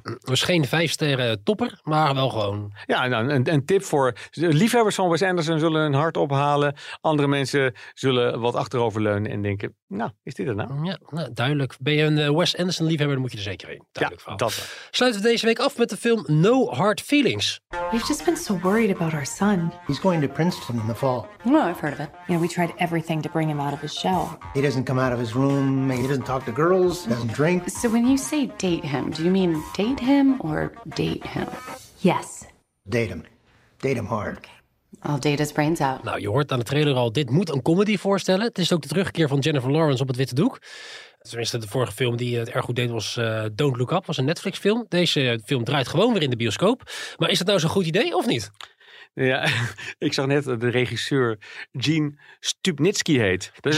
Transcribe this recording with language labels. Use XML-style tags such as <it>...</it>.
<nl>Het was geen 5-sterren topper, maar wel gewoon. Ja, nou, een tip voor liefhebbers van Wes Anderson zullen een hart ophalen. Andere mensen zullen wat achterover leunen en denken, is dit er nou? Ja, duidelijk. Ben je een Wes Anderson liefhebber, dan moet je er zeker heen. Duidelijk, ja, verhaal. Dat. Sluiten we deze week af met de film No Hard Feelings.</nl> <en>We've just been so worried about our son. He's going to Princeton in the fall. No, I've heard of it. Yeah, we tried everything to bring him out of his shell. He doesn't come out of his room. He doesn't talk to girls. He doesn't drink. So when you say date him, do you mean date him or date him? Yes. Date him. Date him hard. Okay. I'll date his brains out.</en> <nl>Nou, je hoort aan de trailer al, dit moet een comedy voorstellen. Het is ook de terugkeer van Jennifer Lawrence op het witte doek. Tenminste, de vorige film die het erg goed deed was Don't Look Up. Was een Netflix film. Deze film draait gewoon weer in de bioscoop. Maar is dat nou zo'n goed idee of niet? Ja, ik zag net de regisseur Jean Stupnitsky heet.</nl>